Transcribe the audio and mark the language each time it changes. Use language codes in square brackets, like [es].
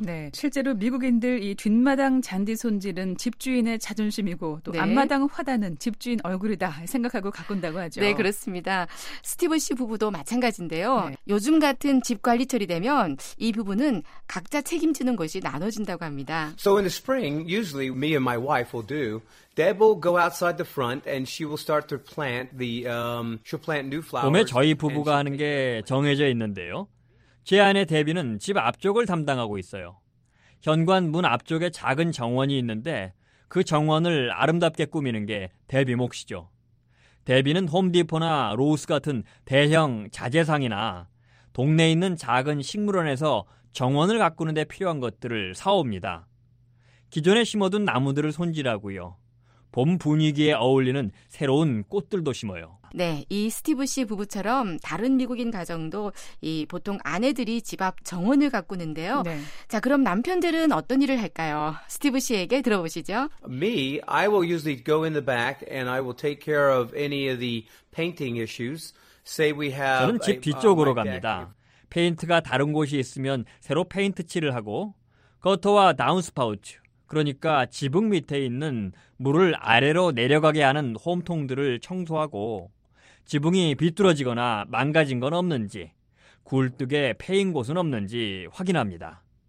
[ko] 네, 실제로 미국인들 이 뒷마당 잔디 손질은 집주인의 자존심이고 또 네. 앞마당 화단은 집주인 얼굴이다 생각하고 가꾼다고 하죠. 네, 그렇습니다. 스티브 씨 부부도 마찬가지인데요. 네. 요즘 같은 집관리 처리되면 이 부부는 각자 책임지는 곳이 나눠진다고 합니다. [en] So in the spring, usually me and my wife will do Deb will go outside the front and she will start to plant the she'll plant new flowers. [ko] 봄에 저희 부부가 하는 게 정해져 있는데요. 제 아내 데비는 집 앞쪽을 담당하고 있어요. 현관 문 앞쪽에 작은 정원이 있는데 그 정원을 아름답게 꾸미는 게 데비 몫이죠. 데비는 홈디포나 로우스 같은 대형 자재상이나 동네에 있는 작은 식물원에서 정원을 가꾸는 데 필요한 것들을 사옵니다. 기존에 심어둔 나무들을 손질하고요. 봄 분위기에 어울리는 새로운 꽃들도 심어요. 네, 이 스티브 씨 부부처럼 다른 미국인 가정도 이 보통 아내들이 집 앞 정원을 가꾸는데요. 네. 자, 그럼 남편들은 어떤 일을 할까요? 스티브 씨에게 들어보시죠. [en] Me, I will usually go in the back and I will take care of any of the painting issues. Say we have [ko] 저는 집 뒤쪽으로 갑니다. 페인트가 다른 곳이 있으면 새로 페인트 칠을 하고 거터와 다운스파우트 그러니까 지붕 밑에 있는 물을 아래로 내려가게 하는 홈통들을 청소하고 지붕이 비뚤어지거나 망가진 건 없는지 굴뚝에 패인 곳은 없는지 확인합니다.